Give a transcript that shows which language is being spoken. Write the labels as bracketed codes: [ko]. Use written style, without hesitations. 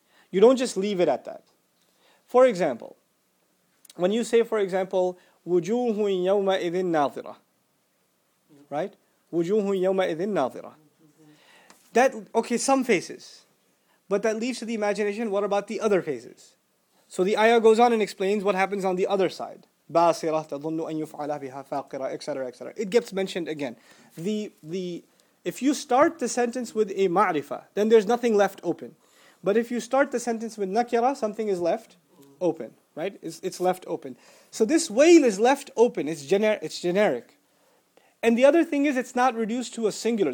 [en] You don't just leave it at that. For example, when you say, for example, [ar] وُجُوهٌ يَوْمَئِذٍ نَاظِرَةٌ. [en] Right? [ar] وُجُوهٌ يَوْمَئِذٍ نَاظِرَةٌ. [en] That, okay, some faces. But that leaves to the imagination, what about the other faces? So the ayah goes on and explains what happens on the other side. [ar] بَاسِرَةٌ تَظُنُّ أَن يُفْعَلَ بِهَا فَاقِرَةٌ, [en] etc., etc. It gets mentioned again. The if you start the sentence with a ma'rifa, then there's nothing left open. But if you start the sentence with nakira, something is left open. Right? It's left open. So this wail is left open. It's generic. And the other thing is, it's not reduced to a singular.